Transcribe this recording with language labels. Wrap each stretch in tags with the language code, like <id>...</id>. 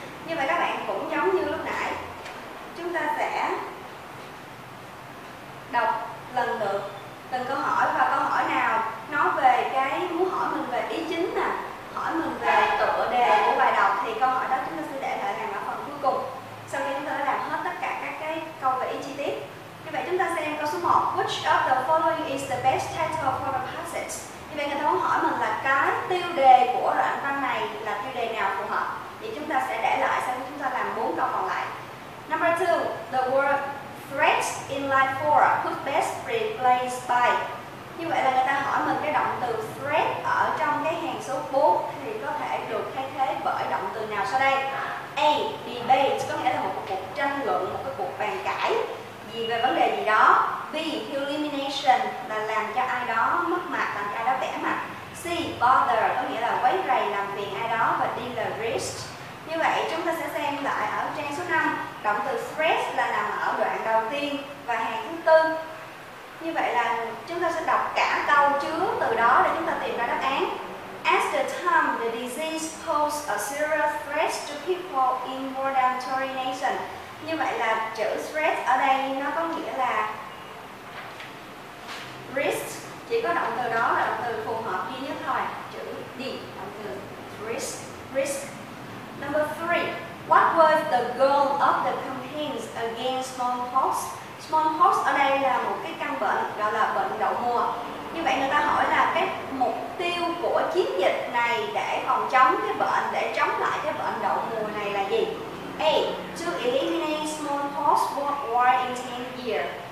<vi>Như vậy các bạn cũng giống như lúc nãy, chúng ta sẽ đọc lần lượt từng câu hỏi, và câu hỏi nào nói về cái muốn hỏi mình về ý chính nè, hỏi mình về tựa đề của bài đọc, thì câu hỏi đó chúng ta sẽ để lại hàng ở phần cuối cùng sau khi chúng ta đã làm hết tất cả các cái câu về ý chi tiết. Như vậy chúng ta xem câu số 1,</vi> <en>which of the following is the best title for the passage.</en> <vi>Như vậy người ta muốn hỏi mình là cái tiêu đề của đoạn văn này là tiêu đề nào phù hợp, thì chúng ta sẽ để lại sau khi chúng ta làm 4 câu còn lại.</vi> <en>Number 2, the word threats in line 4, could best replace by.</en> <vi>Như vậy là người ta hỏi mình cái động từ threat ở trong cái hàng số 4 thì có thể được thay thế bởi động từ nào sau đây? A, debate, có nghĩa là một cuộc tranh luận, một cái cuộc bàn cãi gì về vấn đề gì đó. B, humiliation, là làm cho ai đó mất mặt, làm cho ai đó vẻ mặt. C, bother, có nghĩa là quấy rầy, làm phiền ai đó. Và D, the risk. Như vậy chúng ta sẽ xem lại ở trang số 5, động từ threat là nằm ở đoạn đầu tiên và hàng thứ tư. Như vậy là chúng ta sẽ đọc cả câu chứa từ đó để chúng ta tìm ra đáp án.</vi> <en>At the time, the disease posed a serious threat to people in more than 20 nations.</en> <vi>Như vậy là chữ threat ở đây nó có nghĩa là risk, chỉ có động từ đó là động từ phù hợp duy nhất thôi, chữ D, động từ risk.</vi> <en>Number 3, what was the goal of the campaigns against smallpox?</en> <vi>Smallpox ở đây là một cái căn bệnh gọi là bệnh đậu mùa. Như vậy người ta hỏi là cái mục tiêu của chiến dịch này để phòng chống cái bệnh, để chống lại cái bệnh đậu mùa này là gì?</vi> <en>A, to eliminate smallpox worldwide in 10 years.</en>